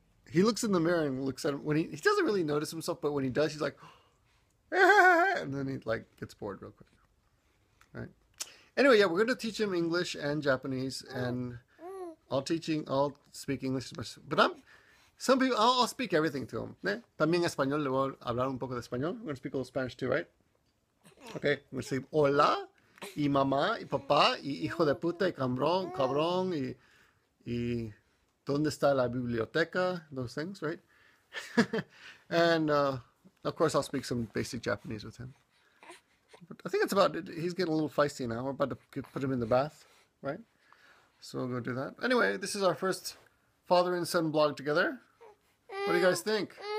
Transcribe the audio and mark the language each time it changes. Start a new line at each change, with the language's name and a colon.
English: He looks in the mirror and looks at him. He doesn't really notice himself, but when he does, he's like, and then he like gets bored real quick. Right. Anyway, yeah, we're going to teach him English and Japanese and All teaching, all speak English. But I'm, some people, I'll speak everything to them. ¿Eh?
Spanish: También español, le voy a hablar un poco de español.
English: I'm going to speak a little Spanish too, right? Okay, I'm going to say
Spanish: hola, y mamá, y papá, y hijo de puta, y cabrón, cabrón, y dónde está la biblioteca,
English: those things, right? And, of course, I'll speak some basic Japanese with him. But I think it's about, he's getting a little feisty now. We're about to put him in the bath, right? So we'll go do that. Anyway, this is our first father and son blog together. What do you guys think?